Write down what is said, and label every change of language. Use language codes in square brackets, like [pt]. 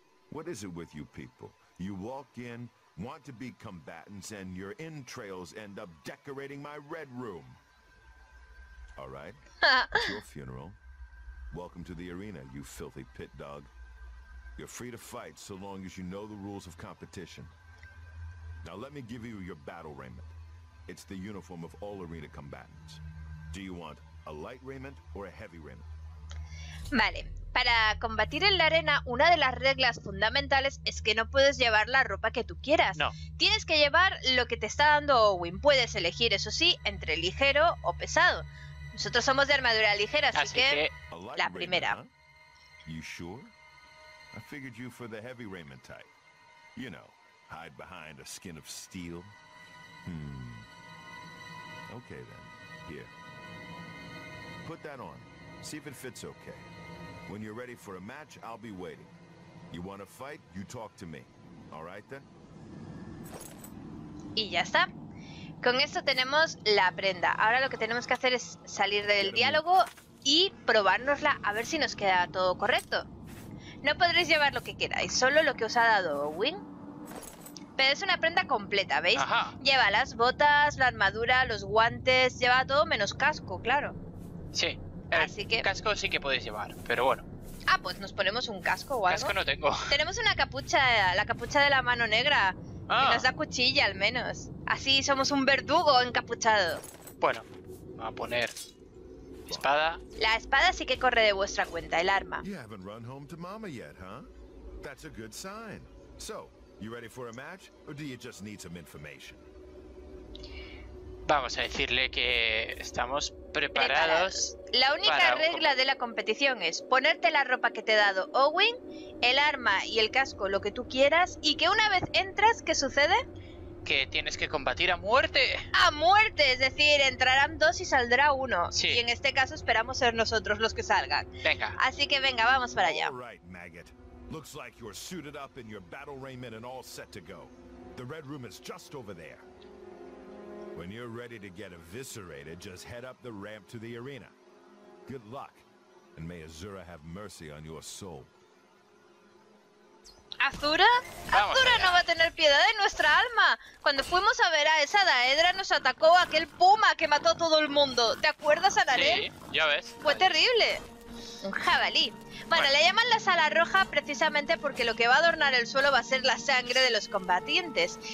[en] What is it with you people? You walk in, want to be combatants and your entrails end up decorating my red room. All right. It's your funeral. Welcome to the arena, you filthy pit dog. You're free to fight so long as you know the rules of competition. Now let me give you your battle raiment. It's the uniform of all arena combatants. Do you want a light raiment or a heavy raiment? [es] Vale, para combatir en la arena, una de las reglas fundamentales es que no puedes llevar la ropa que tú quieras. No. Tienes que llevar lo que te está dando Owyn. Puedes elegir, eso sí, entre ligero o pesado. Nosotros somos de armadura ligera, así que la primera. [en] You sure? I figured you for the heavy raiment type. You know, hide behind a skin of steel. Okay then. Here. Put that on. See if it fits okay. When you're ready for a match, I'll be waiting. You want to fight? You talk to me. All right then? [es] Y ya está. Con esto tenemos la prenda. Ahora lo que tenemos que hacer es salir del diálogo y probárnosla a ver si nos queda todo correcto. No podréis llevar lo que queráis, solo lo que os ha dado Owyn. Pero es una prenda completa, ¿veis? Ajá. Lleva las botas, la armadura, los guantes, lleva todo menos casco, claro. Sí, así que casco sí que podéis llevar, pero bueno. Ah, pues nos ponemos un casco o algo. Casco no tengo. Tenemos una capucha, la capucha de la mano negra, que nos da cuchilla al menos. Así somos un verdugo encapuchado. Bueno, a poner espada. La espada sí que corre de vuestra cuenta, el arma. [en] You haven't run home to mama yet, huh? That's a good sign. So, you ready for a match or do you just need some information? [es] Vamos a decirle que estamos preparados. La única regla de la competición es ponerte la ropa que te ha dado Owyn, el arma y el casco, lo que tú quieras, y que una vez entras, ¿qué sucede? Que tienes que combatir a muerte. ¡A muerte! Es decir, entrarán dos y saldrá uno. Sí. Y en este caso esperamos ser nosotros los que salgan. Venga. Así que venga, vamos para allá. [en] All right, Maggot. Looks like you're suited up in your battle raiment and all set to go. The red room is just over there. When you're ready to get eviscerated, just head up the ramp to the arena. Good luck. And may Azura have mercy on your soul. [es] ¿Azura? Vamos ¡Azura allá. No va a tener piedad de nuestra alma. Cuando fuimos a ver a esa daedra, nos atacó aquel puma que mató a todo el mundo. ¿Te acuerdas, Anarel? Sí, ya ves. Fue terrible. Un jabalí. Bueno, le llaman la sala roja precisamente porque lo que va a adornar el suelo va a ser la sangre de los combatientes.